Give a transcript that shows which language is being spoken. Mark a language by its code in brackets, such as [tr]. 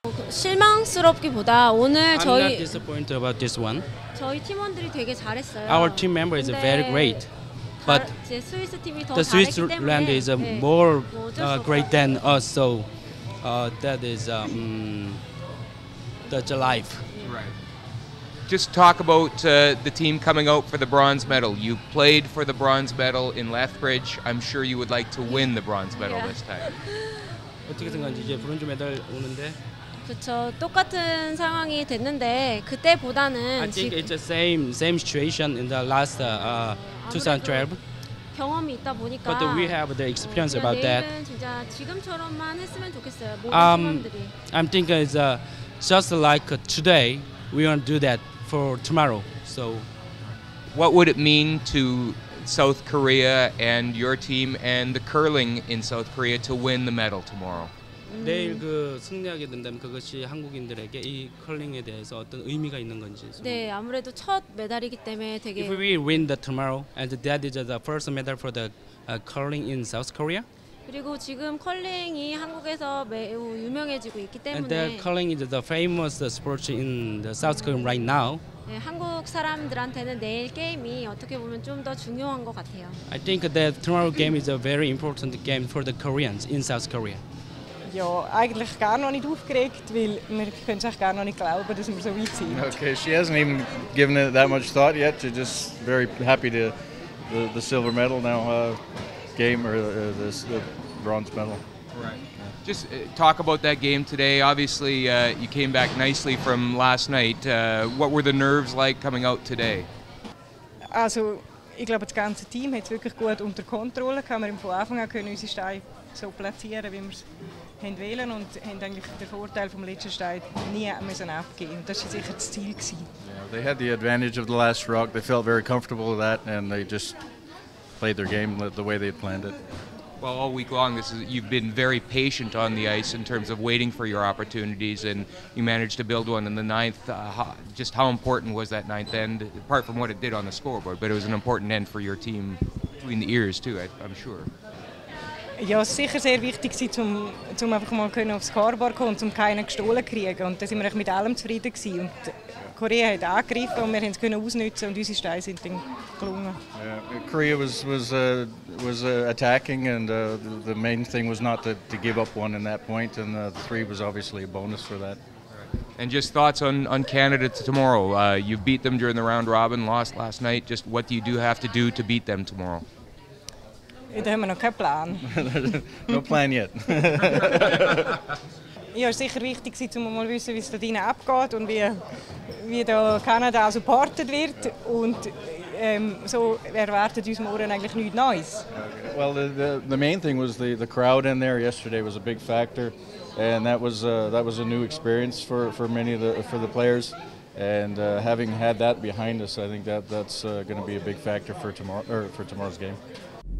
[ko] 실망스럽기보다 오늘 저희 [en] I'm not disappointed about this one. [ko] 저희 팀원들이 되게 잘했어요. [en] Our team members are very great. But the Swiss land is more great than us, so that is that's a life. Right. Just talk about the team coming out for the bronze medal. You played for the bronze medal in Lethbridge. I'm sure you would like to win the bronze medal this time. [ko] 어떻게 생각하는지 이제 브론즈 메달 오는데. 그렇죠. 똑같은 상황이 됐는데 그때보다는 [en] I think it's the same situation in the last 2012. [ko] 경험이 있다 보니까 [en] But we have the experience about that. [ko] 진짜 지금처럼만 했으면 좋겠어요. 모든 팀원들이. [en] I'm thinking it's just like today. We want to do that for tomorrow. So what would it mean to South Korea and your team and the curling in South Korea to win the medal tomorrow? [ko] 내일 그 승리하게 된다면 그것이 한국인들에게 이 컬링에 대해서 어떤 의미가 있는 건지. 네, 아무래도 첫 메달이기 때문에 되게. [en] If we win the tomorrow and that is the first medal for the curling in South Korea. [ko] 그리고 지금 컬링이 한국에서 매우 유명해지고 있기 때문에. [en] And the curling is the famous sport in the South Korea right now. [ko] 네, 한국 사람들한테는 내일 게임이 어떻게 보면 좀 더 중요한 것 같아요. [en] I think that tomorrow game is a very important game for the Koreans in South Korea. [de] Ja, eigentlich gar noch nicht aufgeregt, weil wir können es auch gar noch nicht glauben, dass wir so weit sind. [en] Okay, she hasn't even given it that much thought yet. She's just very happy to the silver medal now game or the bronze medal. Right. Just talk about that game today. Obviously, you came back nicely from last night. What were the nerves like coming out today? [de] Also, ich glaube, das ganze Team hat es wirklich gut unter Kontrolle. Kann man von Anfang an können unsere Steine so platzieren, wie wir es haben wollen und haben eigentlich den Vorteil vom letzten Stein nie müssen abgeben. Und das war sicher das Ziel gewesen. Yeah, [en] they had the advantage of the last rock. They felt very comfortable with that and they just played their game the way they had planned it. Well, all week long, you've been very patient on the ice in terms of waiting for your opportunities, and you managed to build one in the ninth. Just how important was that ninth end, apart from what it did on the scoreboard, but it was an important end for your team between the ears, too, I'm sure. [de] Ja, es war sicher sehr wichtig, um einfach mal aufs Scoreboard kommen und um keinen gestohlen zu kriegen. Und da sind wir mit allem zufrieden gewesen. Und Korea hat angegriffen und wir konnten es ausnutzen und unsere Steine sind dann gelungen. [en] Yeah, Korea was attacking and the main thing was not to give up one in that point and the three was obviously a bonus for that. And just thoughts on Canada tomorrow. You beat them during the round robin, lost last night. Just what do you have to do to beat them tomorrow? [de] Da haben wir noch keinen Plan. [en] No plan yet. [de] Ja, es war sicher wichtig, um mal zu wissen, wie es da drinnen abgeht und wie da Kanada supportet wird. Und so erwartet uns morgen eigentlich nichts Neues. [en] Okay. Well, the main thing was the crowd in there yesterday was a big factor. And that was a new experience for many of the players. And having had that behind us, I think that's going to be a big factor for tomorrow's game.